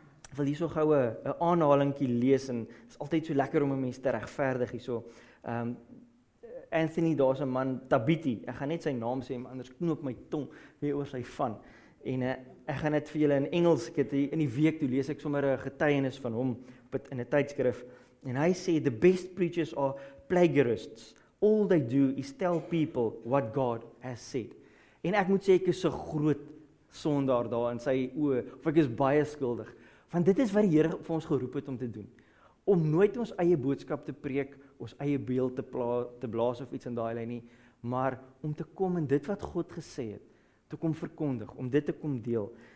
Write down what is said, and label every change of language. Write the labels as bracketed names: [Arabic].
[Afrikaans] Ek wil hierso gou 'n aanhalingkie lees en is altyd so lekker om 'n mens te regverdig hierso. Anthony, daar is een man, Tabiti, ek gaan net sy naam sê, maar anders knoop my tong weer oor sy van. En ek gaan net vir julle in Engels, ek het in die week toe lees ek sommer 'n getuienis van hom in 'n tydskrif. [English] En hy sê, the best preachers are plagiarists. All they do is tell people what God has said. [Afrikaans] En ek moet sê, ek is 'n groot sondaar daar in sy oë, of ek is baie skuldig. Want dit is wat die Here vir ons geroep het om te doen. Om nooit ons eie boodskap te preek, ons eie beeld te blaas of iets in daai lyn nie, maar om te kom in dit wat God gesê het, te kom verkondig, om dit te kom deel.